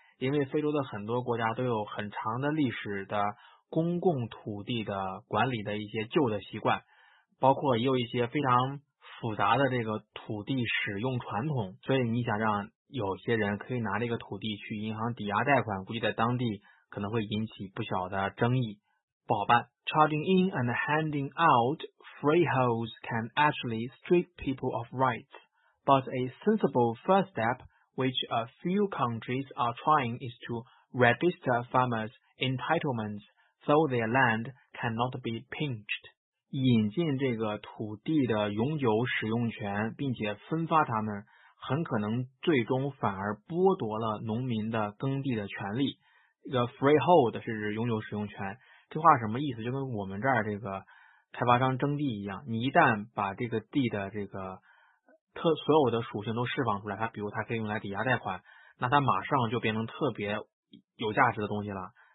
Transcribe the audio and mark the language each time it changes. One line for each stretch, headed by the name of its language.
Chinese: 因为非洲的很多国家都有很长的历史的公共土地的管理的一些旧的习惯，包括也有一些非常复杂的这个土地使用传统，所以你想让有些人可以拿这个土地去银行抵押贷款，估计在当地可能会引起不小的争议，不好办。
English: Charging in and handing out freeholds can actually strip people of rights, but a sensible first step which a few countries are trying is to register farmers' entitlements so their land cannot be pinched.
Chinese: 引进这个土地的永久使用权并且分发他们，很可能最终反而剥夺了农民的耕地的权利。一个 freehold 是指永久使用权，这话什么意思？就跟我们这儿这个开发商征地一样，你一旦把这个地的这个所有的属性都释放出来，它比如它可以用来抵押贷款，那它马上就变成特别有价值的东西了。